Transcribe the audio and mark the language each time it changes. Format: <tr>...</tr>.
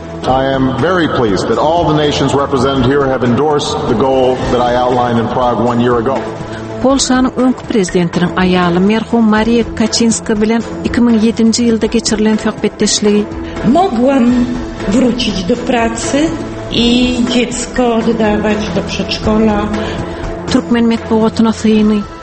<en>I am very pleased that all the nations represented here have endorsed the goal that I outlined in Prague 1 year ago.</en> <tk>Polşanyň öňki prezidentiniň aýaly merhum Mariya Kaczyńska bilen 2007-nji ýylda geçirilen söhbetdeşligi.</tk> <pl>Mogłam wrócić do pracy i dziecko oddawać do przedszkola.</pl> <tk>Türkmen medpowatyna syny.</tk>